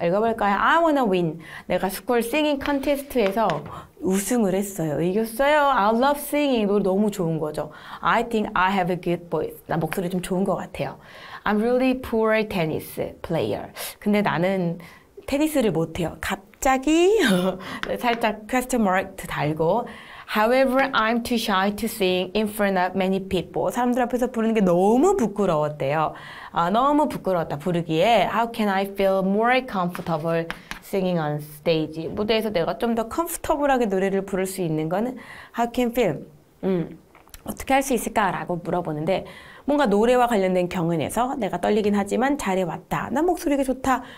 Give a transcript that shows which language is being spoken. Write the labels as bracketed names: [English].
[Korean] 읽어볼까요? [English] I wanna win. [Korean] 내가 스쿨 싱잉 컨테스트에서 우승을 했어요. 이겼어요. [English] I love singing. [Korean] 노래 너무 좋은 거죠. [English] I think I have a good voice. [Korean] 나 목소리 좀 좋은 것 같아요. [English] I'm really poor tennis player. [Korean] 근데 나는 테니스를 못해요. 갑자기 살짝 question mark 달고 [English] However, I'm too shy to sing in front of many people. [Korean] 사람들 앞에서 부르는 게 너무 부끄러웠대요. [English] 아, [Korean] 너무 부끄러웠다 부르기에 [English] How can I feel more comfortable singing on stage? [Korean] 무대에서 내가 좀 더 comfortable하게 노래를 부를 수 있는 거는 [English] How can feel? [Korean] 어떻게 할 수 있을까라고 물어보는데 뭔가 노래와 관련된 경연에서 내가 떨리긴 하지만 잘해왔다. 난 목소리가 좋다.